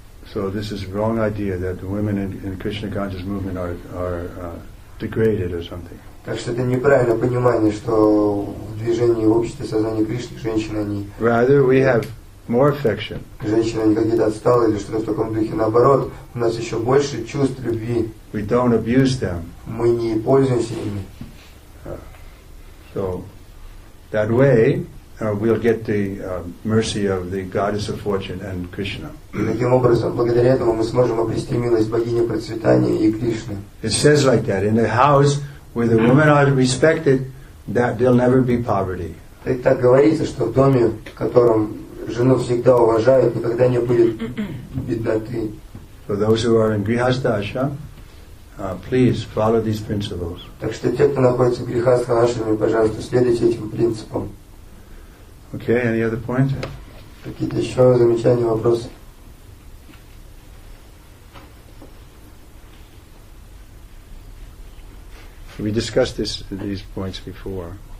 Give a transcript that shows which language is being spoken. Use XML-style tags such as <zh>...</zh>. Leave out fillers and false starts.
<en>So this is wrong idea that the women in Krishna conscious movement are degraded or something.</en> <ru>Так что это неправильное понимание, что в движении общества сознания Кришны женщины они.</ru> <en>Rather, we have more affection.</en> <ru>Женщины они какие-то отсталые или что-то в таком духе. Наоборот, у нас еще больше чувств любви.</ru> <en>We don't abuse them.</en> <ru>Мы не пользуемся ими.</ru> <en>So that way we'll get the mercy of the goddess of fortune and Krishna.</en> <ru>Таким образом, благодаря этому мы сможем обрести милость богини процветания и Кришны.</ru> <en>It says like that in a house where the women are respected, that there'll never be poverty.</en> <ru>Так говорится, что в доме, в котором жену всегда уважают, никогда не будет бедноты.</ru> <en>For those who are in Grihastha Ashram, please follow these principles.</en> <ru>Так что те, кто находится в грехастха ашраме, пожалуйста, следуйте этим принципам.</ru> <en>Okay, any other point?</en> <ru>Какие-то еще замечания, вопросы?</ru> <en>We discussed these points before.</en>